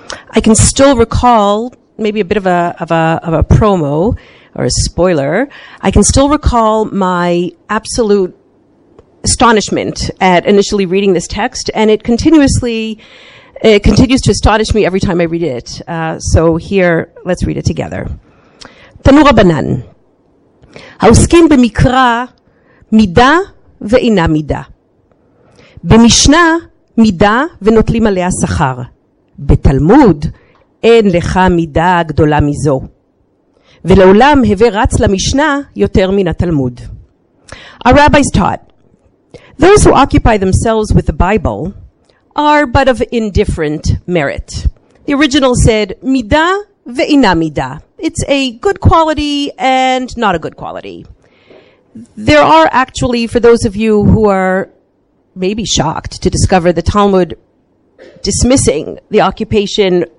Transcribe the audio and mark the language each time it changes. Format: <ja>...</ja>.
<en>I can still recall, maybe a bit of a promo or a spoiler, I can still recall my absolute astonishment at initially reading this text, and it continues to astonish me every time I read it. So here, let's read it together.</en> <he>Tanu Rabbanan. העוסקים במקרא מידה ואינה מידה. במשנה מידה ונוטלים עליה שכר. בתלמוד אין לך מידה גדולה מזו. ולעולם הווה רץ למשנה יותר מן התלמוד.</he> <en>Our rabbis taught, those who occupy themselves with the Bible are but of indifferent merit. The original said,</en> <he>מידה ואינה מידה.</he> <en>It's a good quality and not a good quality. There are actually, for those of you who are maybe shocked to discover the Talmud dismissing the occupation</en>